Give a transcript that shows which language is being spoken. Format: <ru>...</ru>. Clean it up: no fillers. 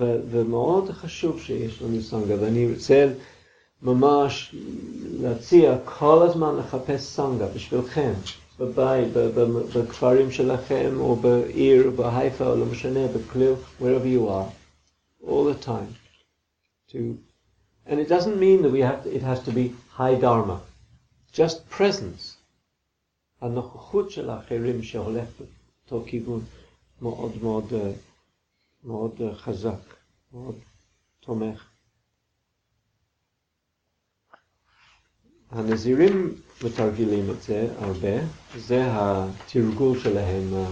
<he>ומאוד חשוב שיש לנו סנגה, ואני רוצה ממש להציע כל הזמן לחפש סנגה בשבילכם, בבית, בכפרים שלכם, או בעיר, בהיפה, או לא משנה, בכלל,</he> <en>wherever you are, all the time. And it doesn't mean that it has to be high dharma, just presence.</en> <he>הנוכחות של האחרים שהולך באותו כיוון, מאוד מאוד מאוד חזק, מאוד תומך. הנזירים מתרגילים את זה הרבה, זה התרגול שלהם.</he>